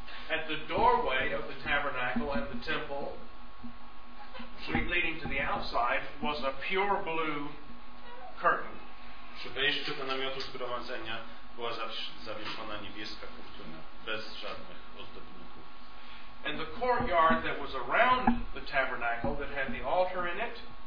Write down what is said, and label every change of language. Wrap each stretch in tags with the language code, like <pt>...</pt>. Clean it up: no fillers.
<en>At the doorway of the tabernacle and the temple, leading to the outside, was a pure blue curtain.</en> <pl>Przy wejściu do namiotu zgromadzenia była zawieszona niebieska kurtyna, bez żadnych ozdobników.</pl> <en>And the courtyard that was around the tabernacle that had the altar in it,</en>